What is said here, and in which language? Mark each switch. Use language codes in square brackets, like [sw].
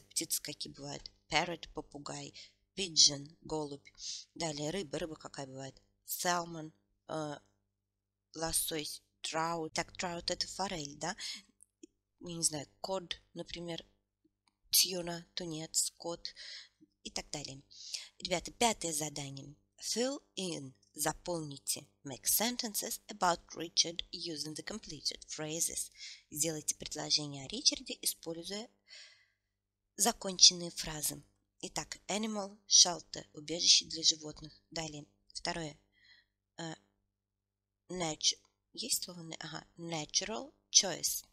[ru] Птицы какие бывают? Parrot, попугай. Pigeon, голубь. Далее, рыба. Рыба какая бывает? Salmon, лосось. Траут. Так, траут это форель, да? Я не знаю, код, например, тюна, тунец, кот и так далее. Ребята, пятое задание. [en] Fill in. [ru] Заполните. [en] Make sentences about Richard using the completed phrases. [ru] Сделайте предложение о Ричарде, используя законченные фразы. Итак, animal, shelter, убежище для животных. Далее, второе. [en] Nature. [ru] Есть слово? Ага. [en] Natural choice.